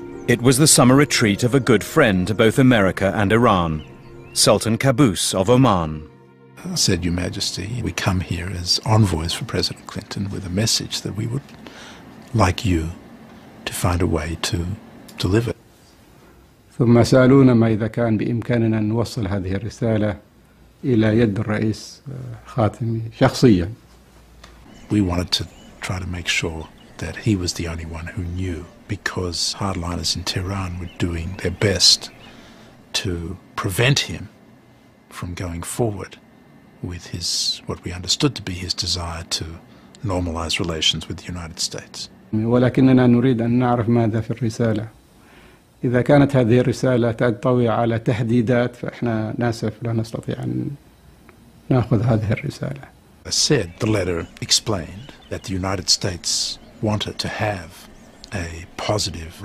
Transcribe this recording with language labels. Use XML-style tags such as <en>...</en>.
<en>It was the summer retreat of a good friend to both America and Iran, Sultan Qaboos of Oman. I said, Your Majesty, we come here as envoys for President Clinton with a message that we would like you to find a way to deliver.</en> <ar>ثم سألونا ما إذا كان بإمكاننا نوصل هذه الرسالة إلى يد الرئيس خاتمي شخصيا.</ar> <en>We wanted to try to make sure that he was the only one who knew, because hardliners in Tehran were doing their best to prevent him from going forward with his, what we understood to be his desire to normalize relations with the United States.</en> <ar>ولكننا نريد أن نعرف ماذا في الرسالة. إذا كانت هذه الرسالة تنطوي على تهديدات فإحنا ناسف لا نستطيع أن نأخذ هذه الرسالة.</ar> <en>I said the letter explained that the United States wanted to have a positive</en>